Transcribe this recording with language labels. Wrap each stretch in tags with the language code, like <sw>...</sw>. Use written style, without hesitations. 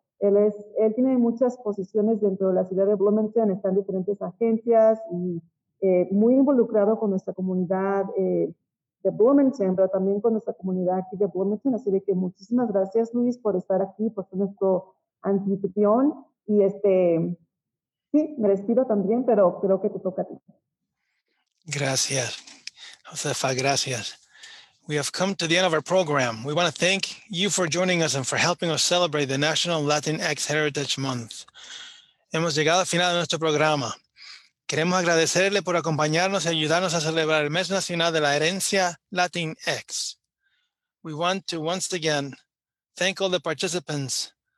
<es>Él tiene muchas posiciones dentro de la ciudad de Bloomington, está en diferentes agencias y muy involucrado con nuestra comunidad de Bloomington, pero también con nuestra comunidad aquí de Bloomington. Así de que muchísimas gracias, Luis, por estar aquí, por ser nuestro anfitrión. Y sí, me despido también, pero creo que te toca a ti. Gracias, Josefa, gracias.</es> <en>We have come to the end of our program. We want to thank you for joining us and for helping us celebrate the National Latinx Heritage Month.</en> <es>Hemos llegado al final de nuestro programa. Queremos agradecerle por acompañarnos y ayudarnos a celebrar el Mes Nacional de la Herencia Latinx.</es> <en>We want to once again thank all the participants.</en>